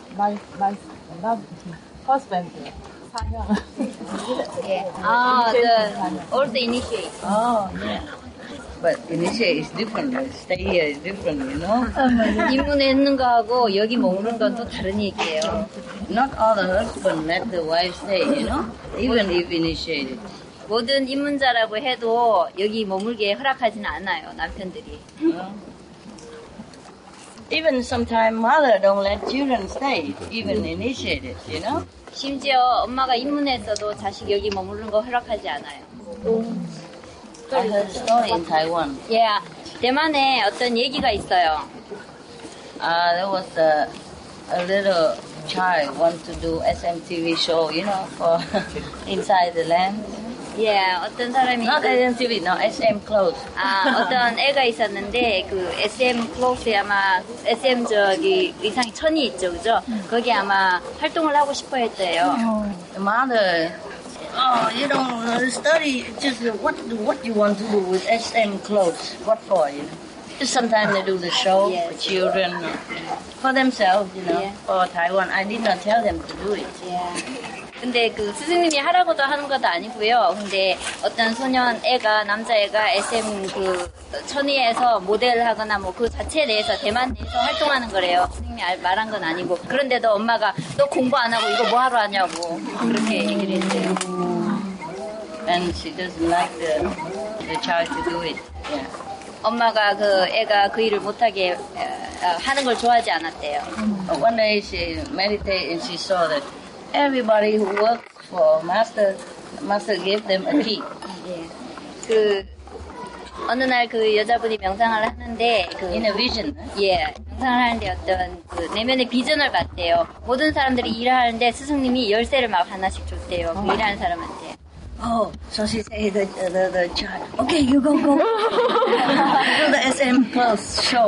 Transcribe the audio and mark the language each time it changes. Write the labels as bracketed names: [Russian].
[English] My husband. [Korean] 사형. 예. 아, [English] the old initiate. Oh, yeah. But initiate is different. Stay here is different, you know? [Korean] 입문에 있는 거하고 여기 머무는 건 또 다른 얘기예요. [English] Not all the husband let the wife stay, you know? Even if initiated. [Korean] 모든 입문자라고 해도 여기 머물게 허락하지는 않아요, 남편들이. [English] Even sometimes mother don't let children stay, even initiated, you know? [Korean] 심지어 엄마가 입문했어도 자식 여기 머무는 거 허락하지 않아요. [English] I heard a story in Taiwan. [Korean] Yeah, 대만에 어떤 얘기가 있어요. [English] There was a little child want to do SMTV show, you know, for inside the land. [Korean] Yeah, 어떤 사람이 [English] not SMTV, no SM clothes. [Korean] 아, 어떤 애가 있었는데 그 SM clothes에 아마 SM 저기 의상이 천이 있죠, 그죠? 거기 아마 활동을 하고 싶어 했대요. [English] The mother. Oh, you know, study just what you want to do with SM clothes. What for, you know? Just sometimes they do the show for children, for themselves, you know, for Taiwan. I did not tell them to do it. Yeah. [Korean] 근데 그 스승님이 하라고도 하는 것도 아니고요. 근데 어떤 소년 애가, 남자애가 SM 그 천의에서 모델하거나 뭐 그 자체 내에서, 대만 내에서 활동하는 거래요. 스승님이 말한 건 아니고. 그런데도 엄마가 너 공부 안 하고 이거 뭐 하러 하냐고 그렇게 얘기를 했어요. [English] And she doesn't like the child to do it. Yeah. [Korean] 엄마가 그 애가 그 일을 못하게 하는 걸 좋아하지 않았대요. [English] One day she meditated and she saw that everybody who works for master gave them a key. Yeah. [Korean] 그 어느 날 그 여자분이 명상을 하는데 그 [English] in a vision. Yeah. [Korean] 명상을 하는데 어떤 그 내면의 비전을 봤대요. 모든 사람들이 일하는데 스승님이 열쇠를 막 하나씩 줬대요. 그 일하는 사람한테. [English] Oh, so she say the child. Okay, you go. Do the SM plus show.